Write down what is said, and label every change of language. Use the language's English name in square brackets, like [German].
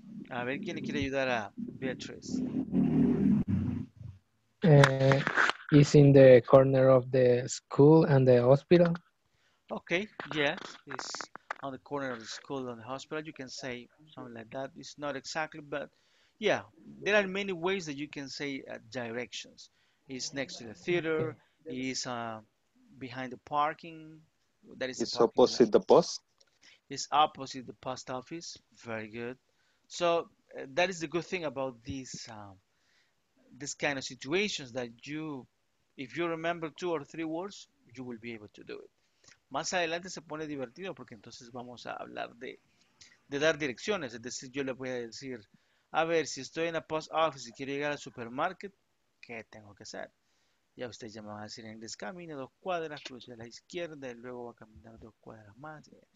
[Spanish] A ver, ¿quién le quiere ayudar a Beatriz? [English] is in the corner of the school and the hospital. Okay, yeah, it's on the corner of the school and the hospital. You can say something like that. It's not exactly, but yeah, there are many ways that you can say directions. It's next to the theater, it's behind the parking. That is it's opposite the post. It's opposite the post office. Very good. So that is the good thing about this kind of situations, that you, if you remember two or three words, you will be able to do it. [Spanish] Más adelante se pone divertido porque entonces vamos a hablar de dar direcciones. Es decir, yo le voy a decir, a ver, si estoy en la post office y quiero llegar al supermarket, ¿qué tengo que hacer? Ya ustedes ya me van a decir en inglés, camine dos cuadras, cruce a la izquierda y luego va a caminar dos cuadras más.